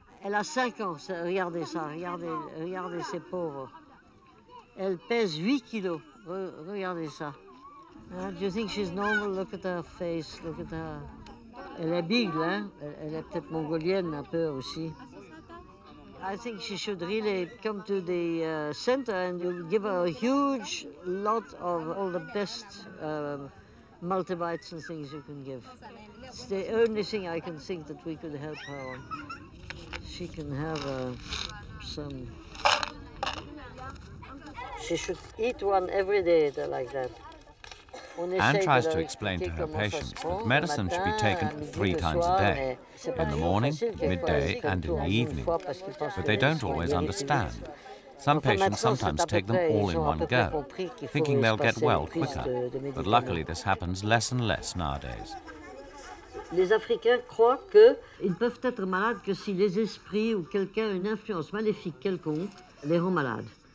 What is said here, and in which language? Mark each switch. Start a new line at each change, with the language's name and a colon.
French: Elle a 5 ans, regardez ça, regardez ces pauvres. Elle pèse 8 kilos, regardez ça.
English: Do you think she's normal? Look at her face, look at her.
French: Elle est bigle, hein? Elle est peut-être mongolienne un peu aussi.
English: I think she should really come to the center and you give her a huge lot of all the best multivites and things you can give. It's the only thing I can think that we could help her on. She can have some. She should eat one every day like that. Anne tries to explain to her patients that medicine should be taken three times a day, in the morning, midday, and in the evening. But they don't always understand. Some patients sometimes take them all in one go, thinking they'll get well quicker. But luckily, this happens less and less nowadays.
French: Les Africains croient que ils peuvent être malades que si les esprits ou quelqu'un une influence maléfique quelconque les rend malades.